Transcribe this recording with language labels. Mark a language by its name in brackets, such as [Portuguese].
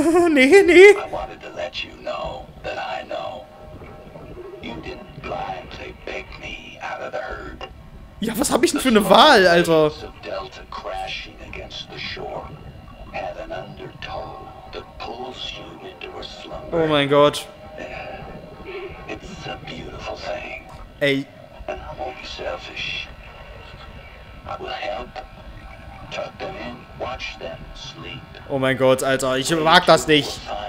[German] Nee. Ja, was hab ich denn für eine Wahl, Alter? [English] Delta crashing against the shore had an undertow that pulls you into a slumber. [German] Oh mein Gott. [English] It's a beautiful thing. Ey. And I won't be selfish. I will help. Tuck them in, watch them sleep. [German] Oh mein Gott, Alter, ich mag das nicht.